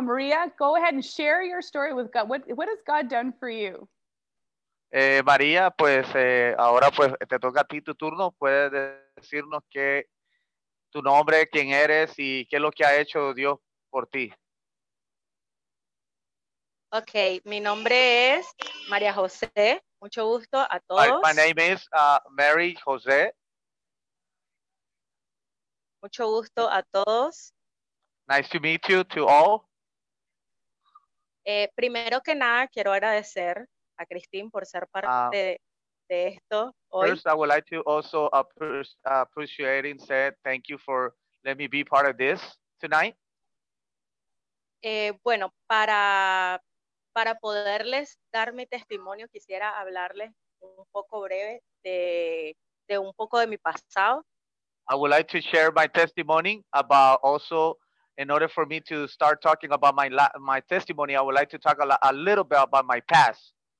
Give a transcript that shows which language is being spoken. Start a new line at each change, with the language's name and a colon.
English: Maria, go ahead and share your story with God. What has God done for you?
Spanish: Maria, pues ahora pues te toca a ti tu turno. Puedes decirnos qué tu nombre, quién eres, y qué es lo que ha hecho Dios por ti. Okay, mi nombre es María José. Mucho gusto a todos.
English: My name is Mary José.
Spanish: Mucho gusto a todos.
English: Nice to meet you, to all.
Spanish: Primero que nada, quiero agradecer a Christine por ser parte de esto hoy.
English: First, I would like to also appreciate and say thank you for letting me be part of this tonight.
Spanish: Bueno, para poderles dar mi testimonio, quisiera hablarles un poco breve de un poco de mi pasado.
English: I would like to share my testimony about also, in order for me to start talking about my testimony, I would like to talk a little bit about my past.